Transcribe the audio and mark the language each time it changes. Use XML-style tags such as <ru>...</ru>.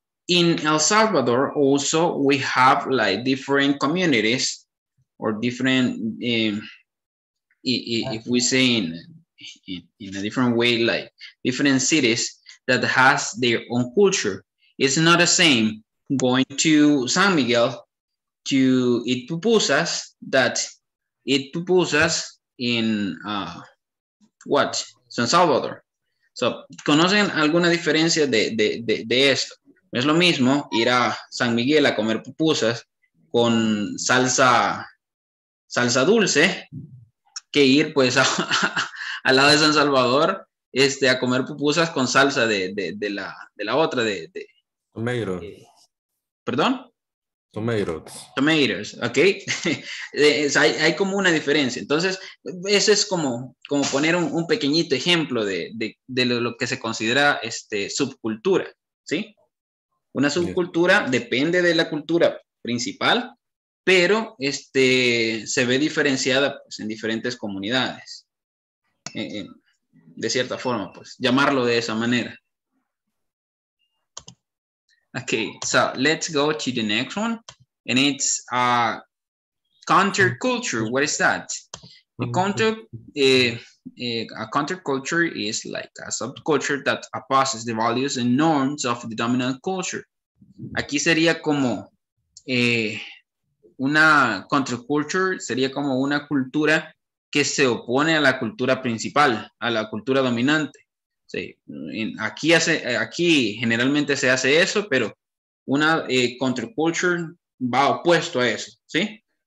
<en>in El Salvador also we have like different communities or different, if we say in a different way, like different cities that has their own culture. It's not the same going to San Miguel to eat pupusas that eat pupusas in what?</en> <es>San Salvador.</es> <en>So,</en> <es>¿conocen alguna diferencia de esto? Es lo mismo ir a San Miguel a comer pupusas con salsa dulce que ir pues al lado de San Salvador a comer pupusas con salsa de la otra de</es> <en>tomatoes.</en> <es>¿Perdón?</es> <en>Tomatoes,</en> <es>ok. hay como una diferencia. Entonces, eso es como poner un pequeñito ejemplo de lo que se considera subcultura, ¿sí? Una subcultura depende de la cultura principal, pero se ve diferenciada pues, en diferentes comunidades. De cierta forma, pues, llamarlo de esa manera.</es> <en>Okay, so let's go to the next one. And it's counterculture. What is that? A counterculture is like a subculture that opposes the values and norms of the dominant culture.</en> <es>Aquí sería como una counterculture, sería como una cultura que se opone a la cultura principal, a la cultura dominante. Sí, aquí generalmente se hace eso, pero una counterculture va opuesto a eso, ¿sí?</es>